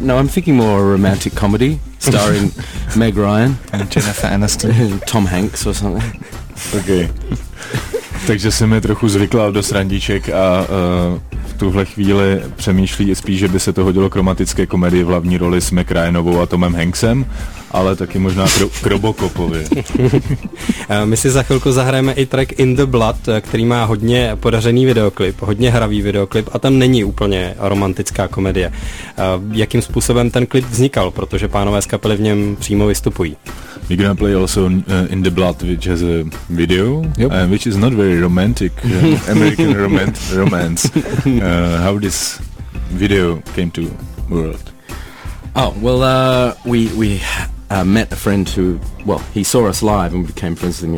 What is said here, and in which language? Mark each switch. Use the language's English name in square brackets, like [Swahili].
[English] No, I'm thinking more a romantic comedy starring Meg Ryan and Jennifer Aniston, Tom Hanks or something. Okay. [Czech] Takže se mi trochu zvykla do srandiček a v tuhle chvíli přemýšlí spíš, že by se to hodilo k romantické komedii v hlavní roli s Meg Ryanovou a Tomem Hanksem, ale taky možná k Robocopovi. My si za chvilku zahrajeme i track In The Blood, který má hodně podařený videoklip, hodně hravý videoklip, a tam není úplně romantická komedie. Jakým způsobem ten klip vznikal, protože pánové z kapely v něm přímo vystupují? [English] We're gonna play also In The Blood, which has a video, yep. Which is not very romantic, American romance. How this video came to world? Oh, well, we met a friend who, well, he saw us live and became friends with him.